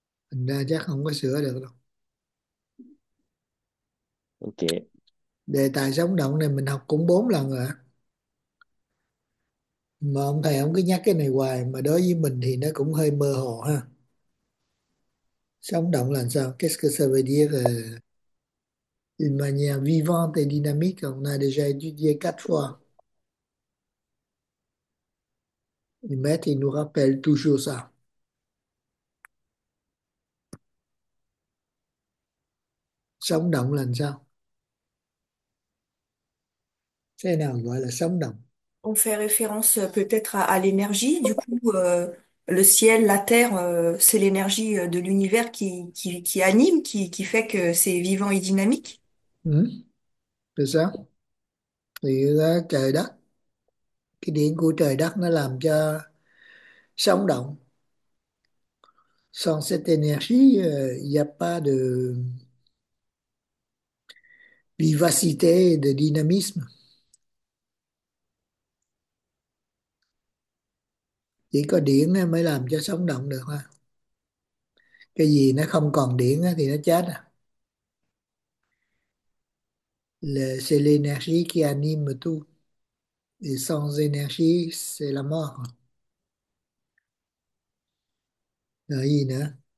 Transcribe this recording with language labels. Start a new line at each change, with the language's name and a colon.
Vietnamese: Thành ra chắc không có sửa được đâu. Ok. Đề tài sống động này mình học cũng 4 lần rồi. Mà ông thầy ông cứ nhắc cái này hoài, mà đối với mình thì nó cũng hơi mơ hồ ha. Sống động là sao?
French: Qu'est-ce que ça veut dire? Une manière vivante et dynamique, on a déjà étudié 4 fois. Le maître, il nous rappelle toujours ça.
Vietnamese: Sống động là sao? Thế nào gọi là sống động?
French: On fait référence peut-être à l'énergie, du coup, le ciel, la terre, c'est l'énergie de l'univers qui anime, qui fait que c'est vivant et dynamique.
Vietnamese: Thì sao? Thì trời đất, cái điện của trời đất nó làm cho sống động.
French: Sans cette énergie, il n'y a pas de vivacité, de dynamisme.
Vietnamese: Chỉ có điện mới làm cho sống động được ha. Cái gì nó không còn điện thì nó chết à.
French: C'est l'énergie qui anime tout. Et sans énergie, c'est la mort.
Vietnamese: Nói gì nữa?